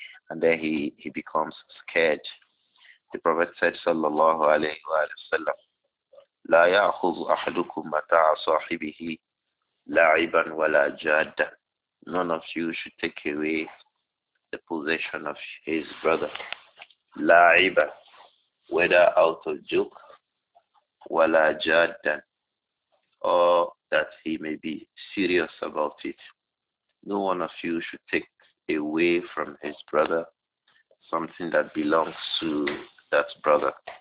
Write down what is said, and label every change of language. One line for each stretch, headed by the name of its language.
English: And then he becomes scared. The Prophet said,
Arabic: sallallahu alayhi wa sallam, لا يأخذ أحدكم متاع صاحبه لعبا ولا جادا.
English: None of you should take away the possession of his brother,
Arabic: لعبا,
English: whether out of joke,
Arabic: wala jaddan,
English: or that he may be serious about it. No one of you should take away from his brother something that belongs to that brother.